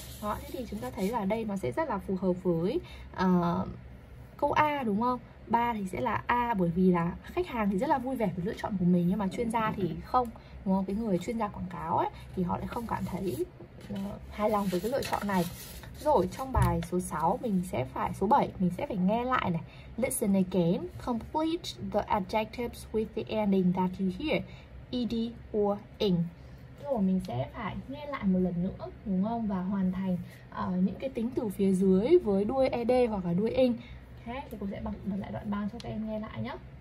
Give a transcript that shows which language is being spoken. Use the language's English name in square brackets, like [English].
[Vietnamese] Đó, thế thì chúng ta thấy là đây nó sẽ rất là phù hợp với câu A đúng không? Ba thì sẽ là A bởi vì là khách hàng thì rất là vui vẻ với lựa chọn của mình, nhưng mà chuyên gia thì không, đúng không? Cái người chuyên gia quảng cáo ấy thì họ lại không cảm thấy hài lòng với cái lựa chọn này. Rồi trong bài số 6 mình sẽ phải số 7 mình sẽ phải nghe lại này. [English] Listen again, complete the adjectives with the ending that you hear, ed or ing. [Vietnamese] Rồi mình sẽ phải nghe lại một lần nữa đúng không, và hoàn thành những cái tính từ phía dưới với đuôi ed hoặc là đuôi ing. Thế thì cô sẽ bật lại đoạn 3 cho các em nghe lại nhé.